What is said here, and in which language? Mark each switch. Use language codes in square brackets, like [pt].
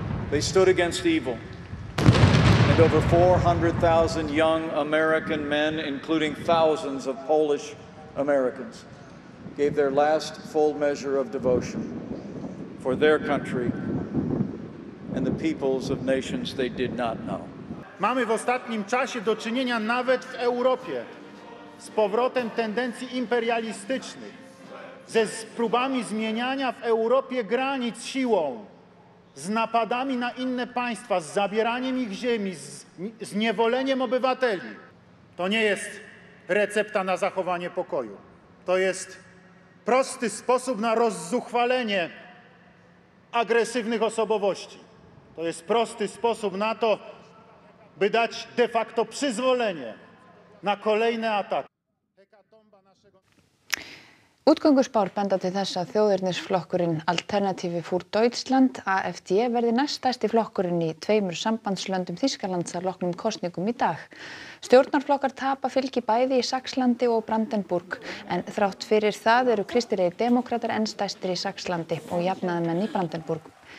[en] They stood against evil. And over 400,000 young American men, including thousands of Polish Americans, gave their last full measure of devotion for their country and the peoples of nations they did not know. [pl] Mamy w ostatnim czasie do czynienia nawet w Europie z powrotem tendencji imperialistycznych, ze próbami zmieniania w Europie granic siłą. Z napadami na inne państwa, z zabieraniem ich ziemi, z niewoleniem obywateli. To nie jest recepta na zachowanie pokoju. To jest prosty sposób na rozzuchwalenie agresywnych osobowości. To jest prosty sposób na to, by dać de facto przyzwolenie na kolejne ataki. [is] Útgönguspár benda til þess að þjóðernisflokkurinn Alternative für Deutschland AfD verði næst stærsti flokkurinn í tveimur sambandslöndum Þýskalands að loknum kosningum í dag. Stjórnarflokkar tapa fylgi bæði í Saxlandi og Brandenburg, en þrátt fyrir það eru kristilegi demókratar enn stærstir í Saxlandi og jafnaðamenn í Brandenburg.